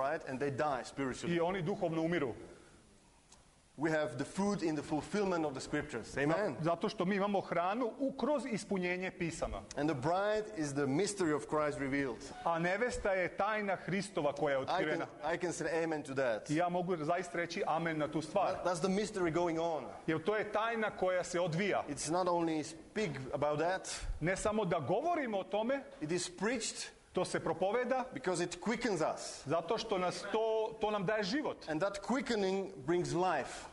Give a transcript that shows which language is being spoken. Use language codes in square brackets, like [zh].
[en] Right? And they die spiritually. [sr] I oni duhovno umiru. [en] We have the food in the fulfillment of the scriptures. Amen. [sr] Zato što mi imamo hranu u kroz ispunjenje pisama. [en] And the bride is the mystery of Christ revealed. [sr] A nevesta je tajna Hristova koja je otkrivena. [en] I can say amen to that. [sr] Ja mogu zaista reći amen na tu stvar. [en] That's the mystery going on. [sr] Jer to je tajna koja se odvija. [en] It's not only speak about that. [sr] Ne samo da govorimo o tome. [en] It is preached. [sr] To se propoveda [en] because it quickens us. [sr] Zato što nas to nam daje život. [en] And that quickening brings life.